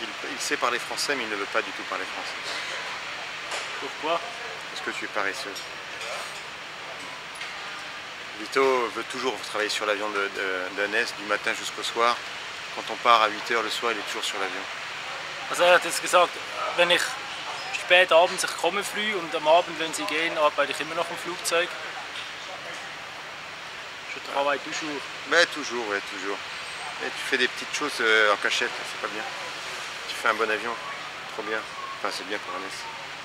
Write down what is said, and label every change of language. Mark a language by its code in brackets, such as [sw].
[fr] Il sait parler français, mais il ne veut pas du tout parler français. Pourquoi? Parce que tu es paresseux. Vito veut toujours travailler sur l'avion d'Annès, du matin jusqu'au soir. Quand on part à 8h le soir, il est toujours sur l'avion. [de] Also, er hat jetzt gesagt, wenn ich spät abends, ich komme früh und am Abend, wenn sie gehen, arbeite ich immer noch im Flugzeug. [fr] Je travaille toujours. Mais toujours, ouais, toujours. Et tu fais des petites choses en cachette, c'est pas bien. Tu fais un bon avion, trop bien. Enfin, c'est bien pour Annès.